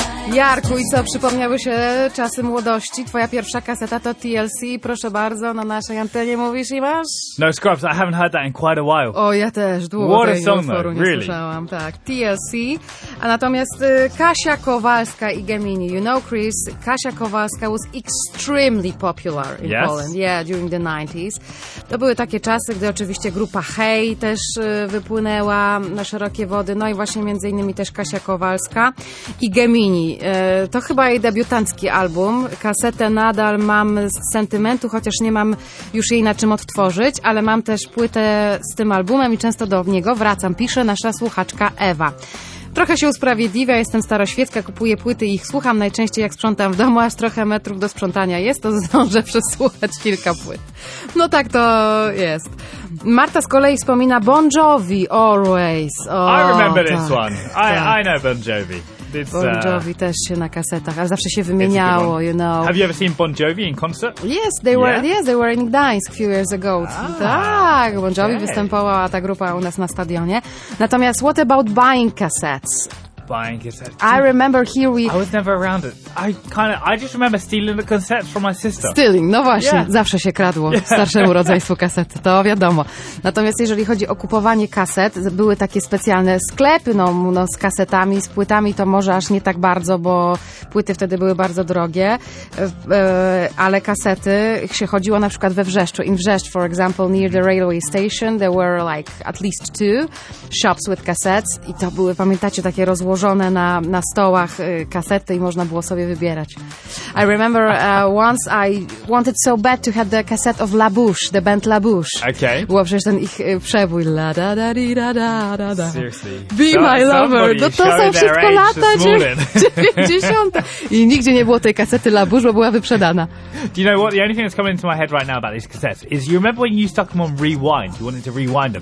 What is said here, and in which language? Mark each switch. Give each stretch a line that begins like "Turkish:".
Polish: Jarku, i co, przypomniały się czasy młodości? Twoja pierwsza kaseta to TLC, proszę bardzo, na naszej antenie mówisz i masz?
English: No Scrubs, I haven't heard that in quite a while.
Polish: O, ja też, długo
English: what
Polish: tej
English: a song,
Polish: utworu
English: though, really?
Polish: Nie słyszałam, tak, TLC. A natomiast
English: Kasia Kowalska i Gemini, you know Chris, Kasia Kowalska was extremely popular in yes? Poland, yeah, during the 90s.
Polish: To były takie czasy, gdy oczywiście grupa Hey też wypłynęła na szerokie wody, no i właśnie między innymi też Kasia Kowalska i Gemini. To chyba jej debiutancki album. Kasetę nadal mam z sentymentu, chociaż nie mam już jej na czym odtworzyć, ale mam też płytę z tym albumem i często do niego wracam, pisze nasza słuchaczka Ewa. Trochę się usprawiedliwia, jestem staroświecka, kupuję płyty i ich słucham najczęściej jak sprzątam w domu, aż trochę metrów do sprzątania jest, to zdążę przesłuchać kilka płyt. No tak to jest. Marta z kolei wspomina Bon Jovi, Always.
English: O, I remember
Polish: tak,
English: this one. I know Bon Jovi.
Polish: Bon Jovi też się na kasetach, ale zawsze się wymieniało,
English: you know. Have you ever seen Bon Jovi in concert? Yes, they were, yeah. Yes, they were in Gdańsk a few years ago.
Polish: Ah, tak, Bon Jovi okay. występowała ta grupa u nas na stadionie. Natomiast
English: what about buying cassettes? Buying cassettes. I remember here we... I was never around it. I just remember stealing the cassettes from my sister. Stealing,
Polish: no właśnie, yeah. Zawsze się kradło starszemu rodzeństwu kasety, to wiadomo. Natomiast jeżeli chodzi o kupowanie kaset, były takie specjalne sklepy no, z kasetami, z płytami, to może aż nie tak bardzo, bo płyty wtedy były bardzo drogie, ale kasety, się chodziło na przykład we Wrzeszczu.
English: In Wrzeszcz, for example, near the railway station, there were like at least two shops with cassettes
Polish: i to były, pamiętacie, takie rozłożone na stołach kasety i można było sobie wybierać.
English: I remember once I wanted so bad to have the cassette of La Bouche, the band La Bouche. Okay.
Polish: Było przecież ten ich przebój. La da da di da da da da.
English: Seriously. Be so, my lover.
Polish: No to są wszystko lata 90. I nigdzie nie było tej kasety La Bouche, bo była wyprzedana.
English: Do you know what? The only thing that's coming into my head right now about these cassettes is you remember when you stuck them on rewind? You wanted to rewind them.